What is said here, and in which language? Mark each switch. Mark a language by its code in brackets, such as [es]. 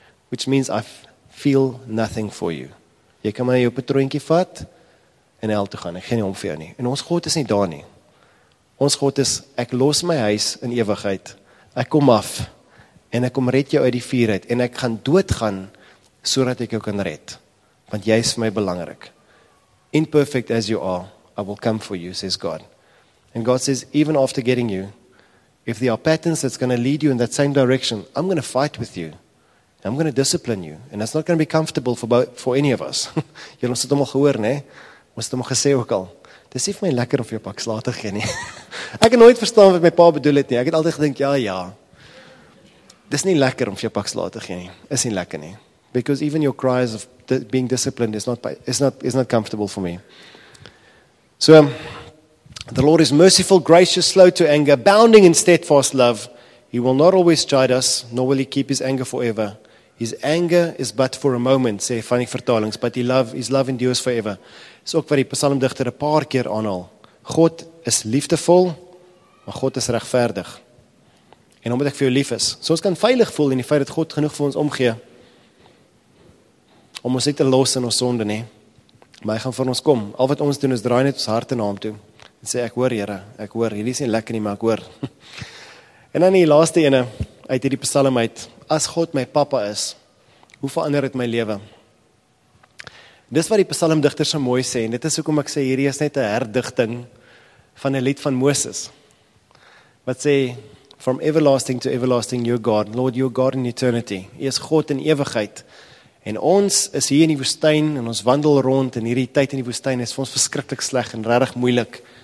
[en] Which means I feel nothing for you. [af] Jy kan maar jou patroontjie vat, en hel toe gaan, ek gee nie om vir jou nie. En ons God is nie daar nie. Ons God is, ek los my huis in ewigheid, ek kom af, en ek kom red jou uit die vuurheid, en ek gaan doodgaan, sodat ek jou kan red, want jy is vir my belangrik. [en] Imperfect as you are, I will come for you, says God. And God says, even after getting you, if there are patterns that's going to lead you in that same direction, I'm going to fight with you, and I'm going to discipline you, and that's not going to be comfortable for any of us. [af] Jy ons het hom al gehoor, nee? Ons het hom al gesê ook al. Dis nie vir my lekker of jou pak sla te gee nie. Ek het nooit verstaan wat my pa bedoel het nie. Ek het altyd gedink, ja, ja. Dis nie lekker om vir jou pak sla te gee nie. Is nie lekker nie. [en] Because even your cries of being disciplined is not comfortable for me. So, the Lord is merciful, gracious, slow to anger, abounding in steadfast love. He will not always chide us, nor will he keep his anger forever. His anger is but for a moment, [af] sê van die vertalings, [en] but his love endures forever. [af] Is ook wat die psalmdichter 'n paar keer aanhaal. God is liefdevol, maar God is regverdig. En omdat ek vir jou lief is, so ons kan veilig voel in die feit dat God genoeg vir ons omgee, om ons nie te los in ons sonde nie. Maar hy gaan vir ons kom. Al wat ons doen is draai net ons harte na hom toe. En sê ek hoor Here, ek hoor. Hierdie is nie lekker nie, maar ek hoor. En dan die laaste ene uit hierdie psalm uit. As God my pappa is, hoe verander dit my lewe? Dis wat die psalmdigter so mooi sê en dit is hoekom ek sê hierdie is net 'n herdigting van 'n lied van Moses. Wat sê [en] from everlasting to everlasting your God, Lord your God in eternity. [af] Hy is God in ewigheid. En ons is hier in die woestyn en ons wandel rond en hierdie tyd in die woestyn is vir ons verskriklik sleg en regtig moeilik.